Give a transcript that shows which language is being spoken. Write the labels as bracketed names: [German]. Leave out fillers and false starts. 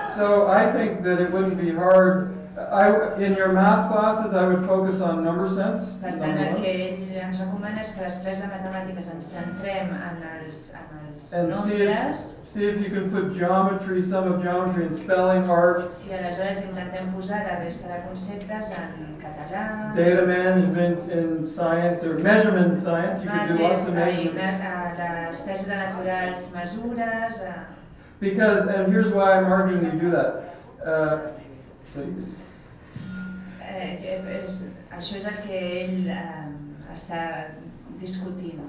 [English] So I think that it wouldn't be hard. In your math classes, I would focus on number sense. [Catalan] Per tant, el que ell ens recomana és que les classes de matemàtiques ens centrem en els nombres. [English] See if you can put geometry, some of geometry in spelling, art. [Catalan] I aleshores intentem posar la resta de conceptes en català. [English] Data management in science, or measurement in science, you can do lots of measurement. [Catalan] Les classes de naturals, mesures... [English] Because, and here's why I'm arguing you do that. [Catalan] Això és el que ell està discutint.